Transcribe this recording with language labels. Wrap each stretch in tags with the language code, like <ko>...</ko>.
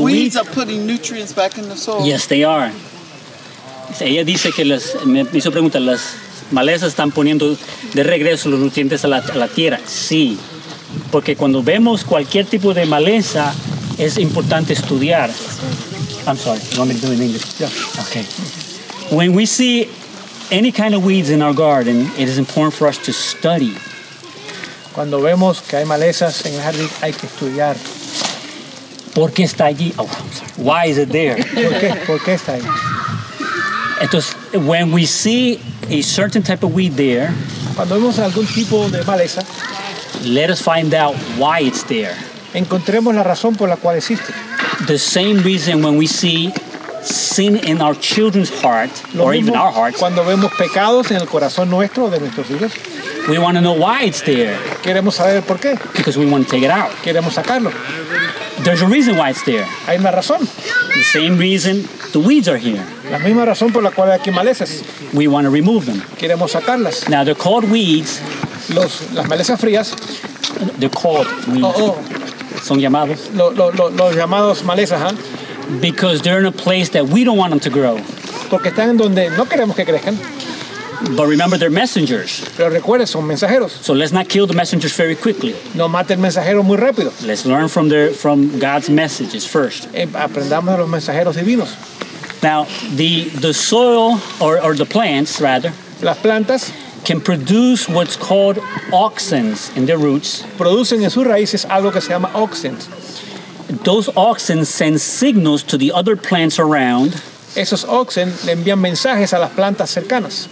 <en>weeds are putting nutrients back in the soil. Yes, they are.</en> <es>Ella dice que las, me hizo preguntar, las malezas están poniendo de regreso los nutrientes a la tierra. Sí. Porque cuando vemos cualquier tipo de maleza, es importante estudiar.</es> <en>I'm sorry, you want me to do it in English? Yeah. Okay. When we see any kind of weeds in our garden, it is important for us to study.</en> <es>Cuando vemos que hay malezas en el jardín, hay que estudiar. ¿Por qué está allí?</es> <en>Oh, I'm sorry. Why is it there?</en> <es>¿Por qué está allí?</es> <en>Entonces, when we see a certain type of weed there,</en> <es>cuando vemos algún tipo de maleza,</es> <en>let us find out why it's there.</en> <es>Encontremos la razón por la cual existe.</es> <en>The same reason when we see sin in our children's heart,</en> <es>lo</es> <en>or even our hearts,</en> <es>cuando vemos pecados en el corazón nuestro o de nuestros hijos,</es> <en>we want to know why it's there.</en> <es>Queremos saber por qué.</es> <en>Because we want to take it out.</en> <es>Queremos sacarlo.</es> <en>There's a reason why it's there.</en> <es>Hay una razón.</es> <en>The same reason the weeds are here.</en> <es>La misma razón por la cual aquí maleces.</es> <en>We want to remove them.</en> <es>Queremos sacarlas.</es> <en>Now they're called weeds.</en> <es>Las malezas frías.</es> <en>They're called weeds. Oh, oh.</en> <es>Son llamados. Los llamados malezas, ¿eh?</es> <en>Because they're in a place that we don't want them to grow.</en> <es>Porque están en donde no queremos que crezcan.</es> <en>But remember, they're messengers.</en> <es>Pero recuerden, son mensajeros.</es> <en>So let's not kill the messengers very quickly.</en> <es>No mate el mensajero muy rápido.</es> <en>Let's learn from God's messages first.</en> <es>Aprendamos de los mensajeros divinos.</es> <en>Now, the soil, or the plants, rather.</en> <es>Las plantas.</es> <en>Can produce what's called auxins in their roots.</en> <es>Producen en sus raíces algo que se llama auxins.</es> <en>Those auxins send signals to the other plants around.</en> <es>Esos auxins le envían mensajes a las plantas cercanas.</es>